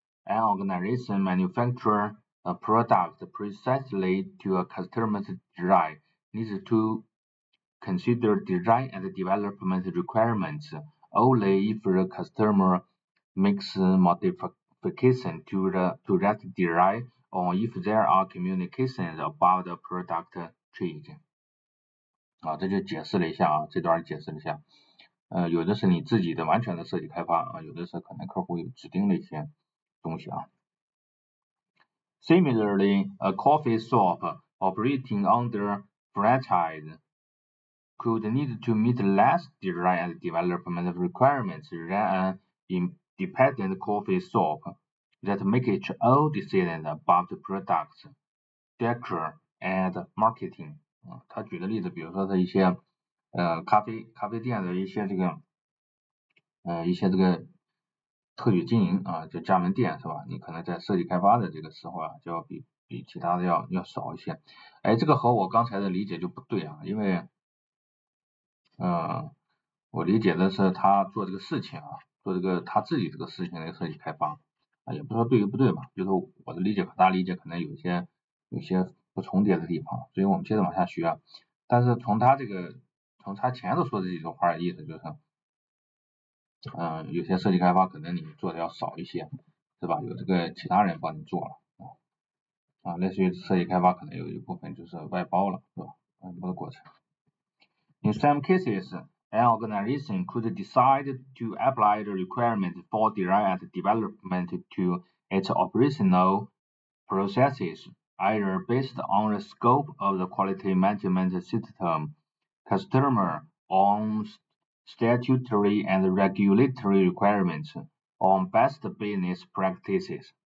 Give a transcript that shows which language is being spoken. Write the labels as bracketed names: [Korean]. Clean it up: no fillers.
[English] An organization manufacture a product precisely to a customer's design needs to consider design and development requirements only if the customer makes modification to that design or if there are communications about the product change. [Chinese] 啊，这就解释了一下啊，这段解释了一下。有的是你自己的完全的设计开发啊，有的是可能客户有指定的一些东西啊。 [English] Similarly, a coffee shop operating under franchise could need to meet less design and development requirements than an independent coffee shop that makes its own decisions about the products, structure and marketing. [Chinese] 他举的例子，比如说他一些咖啡店的一些这个一些这个特许经营啊，就加盟店是吧？你可能在设计开发的这个时候啊，就要比其他的要少一些。哎，这个和我刚才的理解就不对啊，因为我理解的是他做这个事情啊，做这个他自己这个事情的设计开发啊，也不说对与不对吧，就是我的理解和他理解可能有些不重叠的地方，所以我们接着往下学啊。但是从他这个，从他前头说的几句话的意思就是，有些设计开发可能你做的要少一些，是吧？有这个其他人帮你做了啊，类似于设计开发可能有一部分就是外包了，是吧？外包的过程。 [English] In some cases, an organization could decide to apply the requirement for design and development to its operational processes, either based on the scope of the quality management system, customer, on statutory and regulatory requirements, or on best business practices.